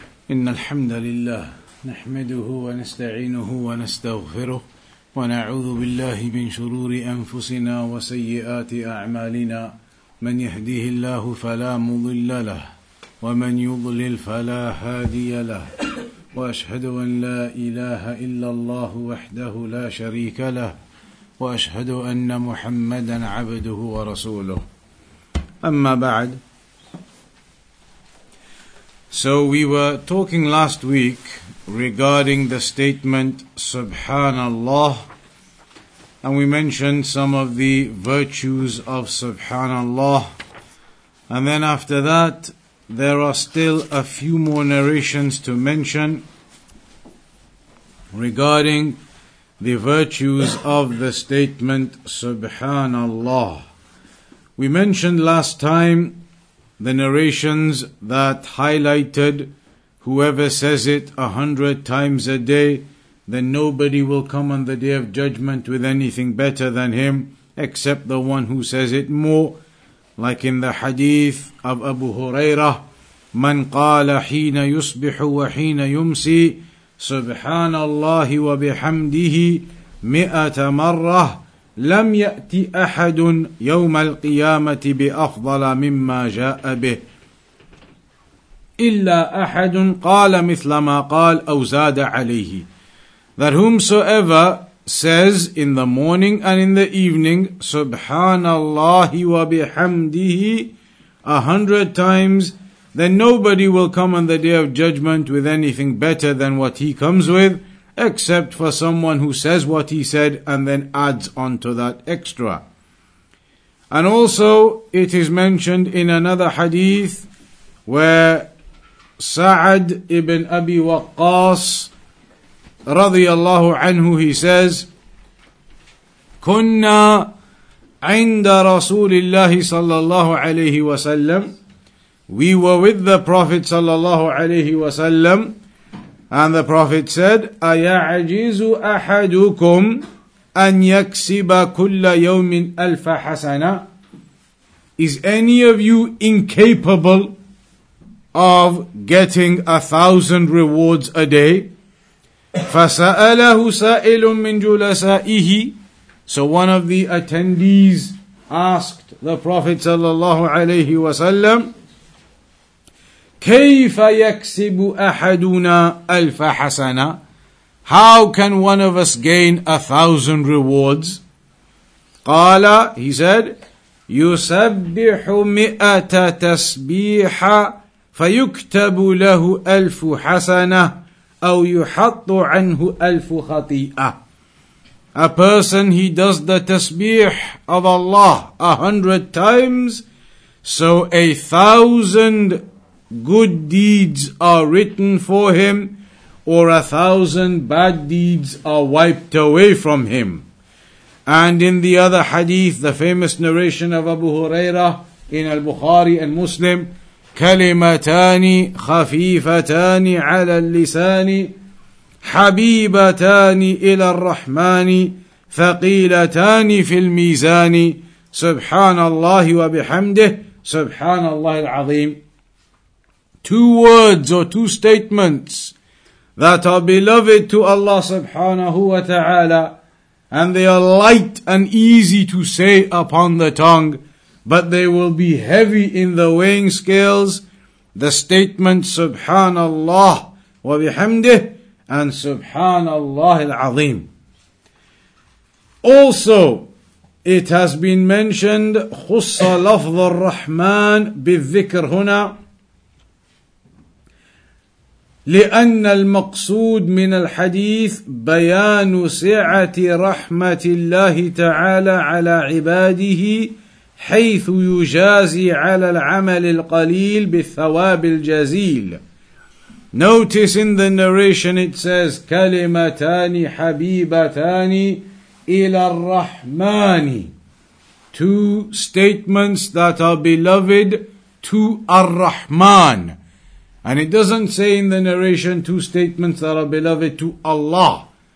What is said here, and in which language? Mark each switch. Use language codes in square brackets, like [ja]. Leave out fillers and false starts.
[ar] إن الحمد لله نحمده ونستعينه ونستغفره ونعوذ بالله من شرور أنفسنا وسيئات أعمالنا من يهديه الله فلا مضل له ومن يضلل فلا هادي له وأشهد أن لا إله إلا الله وحده لا شريك له وأشهد أن محمدا عبده ورسوله أما بعد. [en] So we were talking last week regarding the statement Subhanallah, and we mentioned some of the virtues of Subhanallah. And then after that, there are still a few more narrations to mention regarding the virtues of the statement Subhanallah. We mentioned last time the narrations that highlighted whoever says it 100 times a day, then nobody will come on the Day of Judgment with anything better than him, except the one who says it more. Like in the hadith of Abu Hurairah, [ar] من قال حين يصبح وحين يمسي سبحان الله وبحمده 100 مرة لم يأتي أحد يوم القيامة بأفضل مما جاء به إلا أحد قال مثل ما قال أو زاد عليه. [en] That whomsoever says in the morning and in the evening [ar] سبحان الله وبحمده [en] 100 times, then nobody will come on the Day of Judgment with anything better than what he comes with, except for someone who says what he said and then adds on to that extra. And also it is mentioned in another hadith where Sa'ad ibn Abi Waqqas radiyallahu anhu, he says, [ar] kunna 'inda Rasulillah [en] sallallahu alayhi wa sallam, we were with the Prophet sallallahu alayhi wa sallam. And the Prophet said, [ar] أَيَعَجِزُ أَحَدُكُمْ أَنْ يَكْسِبَ كُلَّ يَوْمٍ أَلْفَ حَسَنًا. [en] Is any of you incapable of getting 1,000 rewards a day? [ar] فَسَأَلَهُ سَائِلٌ مِّن جُلَسَائِهِ. [en] So one of the attendees asked the Prophet sallallahu alayhi wa sallam, [ar] كَيْفَ يَكْسِبُ أَحَدُنَا أَلْفَ حَسَنًا. [en] How can one of us gain 1,000 rewards? [ar] قَالَ, [en] he said, [ar] يُسَبِّحُ 100 تَسْبِيحًا فَيُكْتَبُ لَهُ 1,000 حَسَنَةً أَوْ يُحَطُّ عَنْهُ 1,000 خَطِيئَةً. [en] A person, he does the tasbih of Allah 100 times, so 1,000 good deeds are written for him, or 1,000 bad deeds are wiped away from him. And in the other hadith, the famous narration of Abu Hurairah in Al-Bukhari and Muslim, [ar] كَلِمَتَانِ خَفِيفَتَانِ عَلَى اللِّسَانِ حَبِيبَتَانِ إِلَى الرَّحْمَانِ ثَقِيلَتَانِ فِي الْمِيزَانِ سُبْحَانَ اللَّهِ وَبِحَمْدِهِ سُبْحَانَ اللَّهِ الْعَظِيمِ. [en] 2 words or 2 statements that are beloved to Allah subhanahu wa ta'ala, and they are light and easy to say upon the tongue, but they will be heavy in the weighing scales. The statement Subhanallah wa bihamdih and Subhanallah al-Azim. Also, it has been mentioned [ar] خُصَّ لَفْظَ الرَّحْمَانِ بِالذِّكْرِ هُنَا لأن المقصود من الحديث بيان سعة رحمة الله تعالى على عباده حيث يجازي على العمل القليل بالثواب الجزيل. [en] Notice in the narration it says [ar] كلمتان حبيبتان إلى الرحمن. [en] 2 statements that are beloved to Ar-Rahman. And it doesn't say in the narration 2 statements that are beloved to Allah.